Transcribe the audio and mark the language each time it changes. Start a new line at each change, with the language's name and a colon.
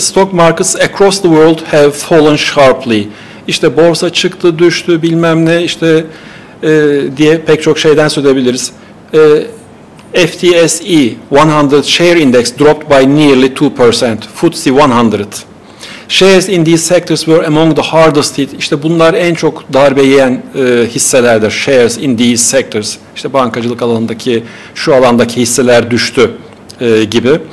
English: Stock markets across the world have fallen sharply.
Turkish: İşte borsa çıktı, düştü, bilmem ne işte diye pek çok şeyden söz edebiliriz.
English: FTSE 100 share index dropped by nearly 2%. FTSE 100. Shares in these sectors were among the hardest hit.
Turkish: İşte bunlar en çok darbe yiyen hisselerdir.
English: Shares in these sectors.
Turkish: İşte bankacılık alanındaki, şu alandaki hisseler düştü gibi.